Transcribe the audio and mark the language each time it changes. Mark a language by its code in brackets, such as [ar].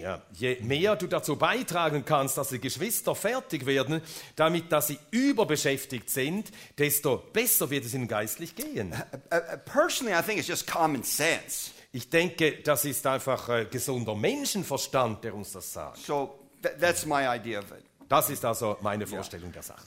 [de] Ja, je mehr du dazu beitragen kannst, dass die Geschwister fertig werden, damit dass sie überbeschäftigt sind, desto besser wird es ihnen geistlich gehen. [en] Personally, I think it's just common sense. [de] Ich denke, das ist einfach gesunder Menschenverstand, der uns das sagt. [en] So that's my idea of it. [de] Das ist also meine Vorstellung der Sache.